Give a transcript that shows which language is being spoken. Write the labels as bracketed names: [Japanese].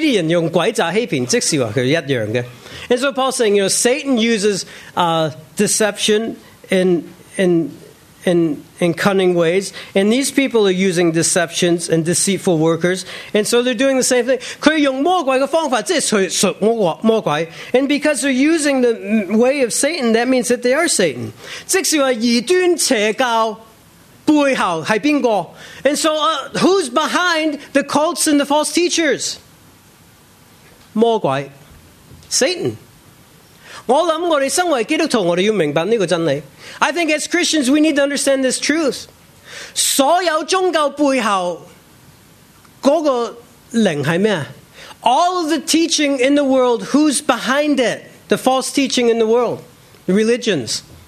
[Chinese] 那魔鬼是用诡诈欺骗，这些人用诡诈欺骗，即是说他是一样的。 [English] And so Paul's saying, you know, Satan uses deception in cunning ways, and these people are using deceptions and deceitful workers, and so they're doing the same thing. [Chinese] 他用魔鬼的方法，即是说魔鬼。 [English] And because they're using the way of Satan, that means that they are Satan. [Chinese] 即是说异端邪教。背后是谁? [English] And so who's behind the cults and the false teachers? [Chinese] 魔鬼, [English] Satan. [Chinese] 我想我们身为基督徒，我们要明白这个真理。 [English] I think as Christians, we need to understand this truth. [Chinese] 所有宗教背后那个灵是什么? [English] All of the teaching in the world, who's behind it? The false teaching in the world, the religions.